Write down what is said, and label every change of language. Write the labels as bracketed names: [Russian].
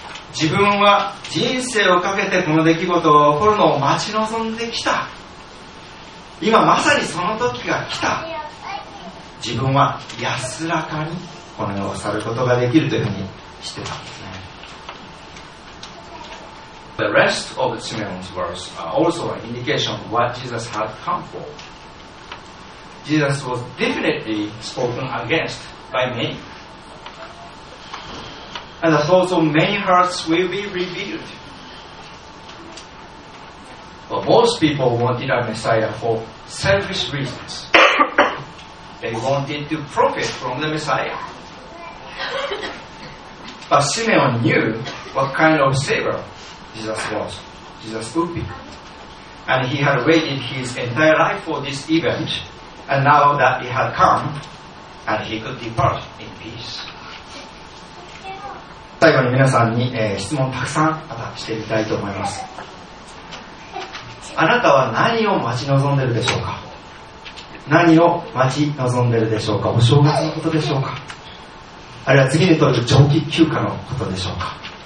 [Japanese] 自分は人生をかけてこの出来事が起こるのを待ち望んできた。今まさにその時が来た。自分は安らかにこの世を去ることができるというふうにしてたんですね。 [English] The rest of Simeon's words are also an indication of what Jesus had come for. Jesus was definitely spoken against by many. And the thoughts of many hearts will be revealed. But most people wanted a Messiah for selfish reasons. They wanted to profit from the Messiah. But Simeon knew what kind of savior Jesus was, Jesus would be. And he had waited his entire life for this event, and now that it had come, and he could depart in peace. [Japanese] 最後に皆さんに、質問をたくさんまたしてみたいと思います。あなたは何を待ち望んでるでしょうか。何を待ち望んでるでしょうか。お正月のことでしょうか。あるいは次に取る長期休暇のことでしょうか。